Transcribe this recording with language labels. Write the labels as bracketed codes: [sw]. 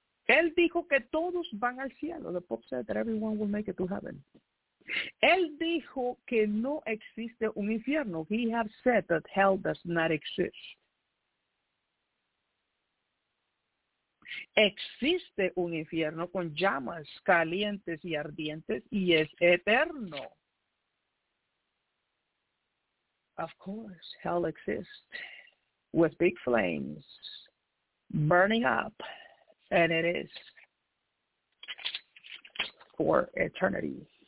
[es] Él dijo que todos van al cielo. [en] The Pope said that everyone will make it to heaven. [es] Él dijo que no existe un infierno. [en] He has said that hell does not exist. [es] Existe un infierno con llamas calientes y ardientes y es eterno. [en] Of course, hell exists with big flames burning up, and it is for eternity.